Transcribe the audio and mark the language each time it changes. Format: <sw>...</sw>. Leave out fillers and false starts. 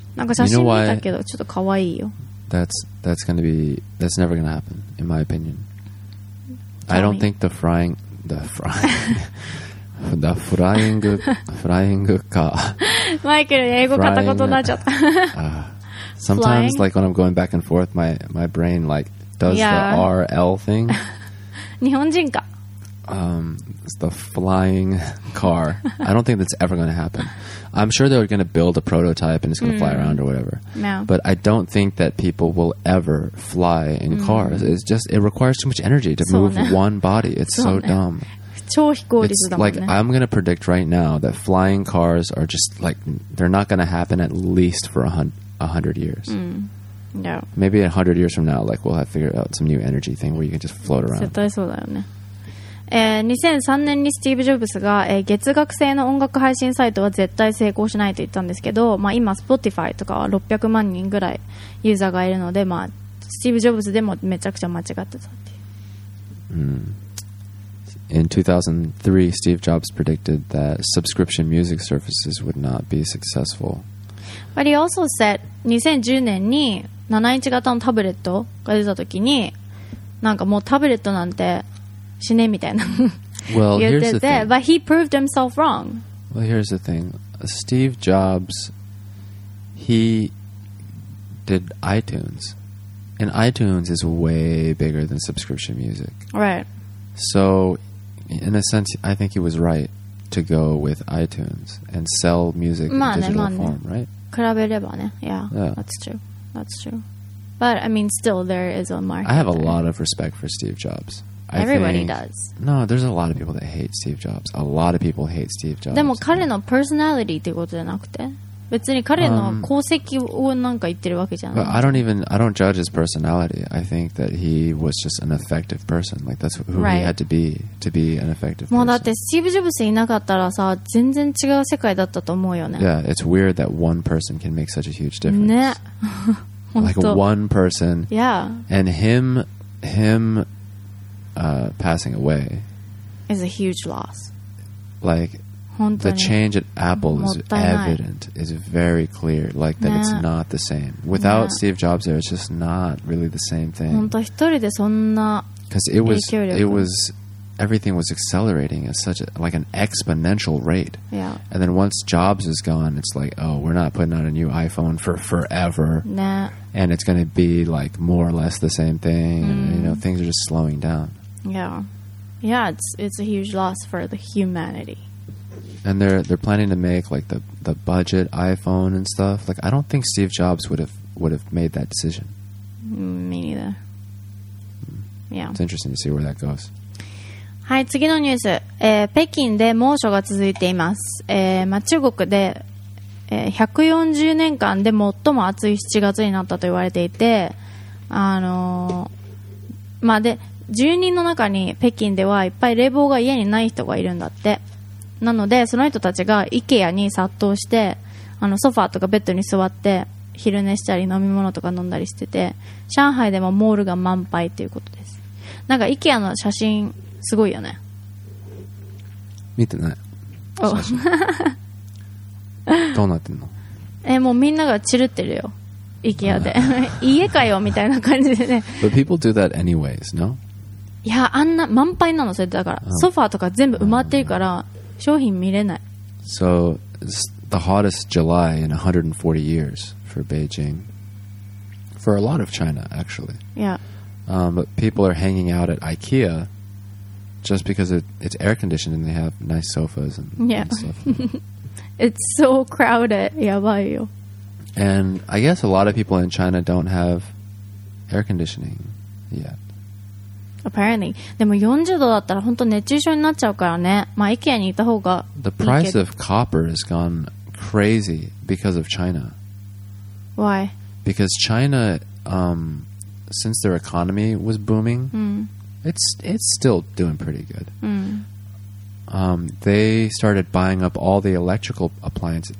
<ja>なんか写真見たけどちょっとかわいいよ。</ja> <en>That's gonna be That's never gonna happen in my opinion. I don't think the flying The flying, flying car. Michael, English,</en> <ja>flying, 片言になっちゃった。</ja> <en>Sometimes, flying? Like when I'm going back and forth, my brain like does yeah. the R L thing.</en> <ja>日本人か。</ja> <en>It's the flying car. I don't think that's ever going to happen. I'm sure they're going to build a prototype and it's going to fly around or whatever. Yeah. But I don't think that people will ever fly in cars. It's just it requires too much energy to move one body. It's so dumb. It's like I'm gonna predict right now that flying cars are just like they're not gonna happen at least for 100 years. Yeah. Maybe 100 years from now, like we'll have figured out some new energy thing where you can just float around.</en> <ja>絶対そうだよね。 2003年にスティーブ・ジョブズが、月額制の音楽配信サイトは絶対成功しないと言ったんですけど、まあ今 Spotify とかは600万人ぐらいユーザーがいるので、まあスティーブ・ジョブズでもめちゃくちゃ間違ってたっていう。</ja> <en>In 2003, Steve Jobs predicted that subscription music services would not be successful. But he also said</en> <ja>2010年に7インチ型のタブレットが出た時に、なんかもうタブレットなんて死ねみたいな well, 言ってて、</ja> <en>But he proved himself wrong. Well, here's the thing. Steve Jobs, he did iTunes. And iTunes is way bigger than subscription music. Right. So in a sense, I think he was right to go with iTunes and sell music in digital form, right?</en> <ja>比べればね。</ja> <en>Yeah, that's true. But, I mean, still, there is a market. I have a lot of respect for Steve Jobs. Everybody does. No, there's a lot of people that hate Steve Jobs. A lot of people hate Steve Jobs.</en> <ja>でも彼のパーソナリティってことじゃなくて、別に彼の功績をなんか言ってるわけじゃない。</ja> <en>But I don't judge his personality. I think that he was just an effective person. Like that's who he had to be an effective person.</en> <ja>もうだってスティーブ・ジョブスいなかったらさ、全然違う世界だったと思うよね。</ja> <en>Yeah, it's weird that one person can make such a huge difference.</en> <ja>ね。</ja> <en>Like one person. Yeah. And passing away is a huge loss. Like the change at Apple is evident, is very clear, like that it's not the same. Without Steve Jobs there, it's just not really the same thing.</en> <ja>本当一人でそんな</ja> <en>Because it was everything was accelerating at such a, like an exponential rate. Yeah. And then once Jobs is gone, it's like, oh, we're not putting out a new iPhone for forever. Nah. And it's going to be like more or less the same thing. Mm. And, you know, things are just slowing down. Yeah. Yeah, it's a huge loss for the humanity. And they're planning to make like the budget iPhone and stuff. Like, I don't think Steve Jobs would have made that decision. Me neither. Yeah. It's interesting to see where that goes.</en> <ja>はい、次のニュース、北京で猛暑が続いています、まあ、中国で、140年間で最も暑い7月になったと言われていて、まあ、で住人の中に北京ではいっぱい冷房が家にない人がいるんだって。なのでその人たちがイケアに殺到して、あのソファーとかベッドに座って昼寝したり飲み物とか飲んだりしてて、上海でもモールが満杯ということです。なんかイケアの写真すごいよね。見てない。どうなってんの？もうみんなが散るってるよ。 IKEA で。家かよみたいな感じでね。</ja> <en>But people do that anyways, no?</en> <ja>いや、あんな満杯なのそれだから。ソファーとか全部埋まってるから商品見れない。</ja> <en>So, it's the hottest July in 140 years for Beijing. For a lot of China, actually. Yeah. But people are hanging out at IKEA. Just because it's air conditioned and they have nice sofas and, yeah. and stuff. It's so crowded.</en> <ja>やばいよ.</ja> <en>And I guess a lot of people in China don't have air conditioning yet. Apparently.</en> <ja>でも40度だったら本当熱中症になっちゃうからね。まあ、IKEA にいた方がいいけど。</ja> <en>The price of copper has gone crazy because of China. Why? Because China, since their economy was booming... It's still doing pretty good. They started buying up all the electrical appliances.</en>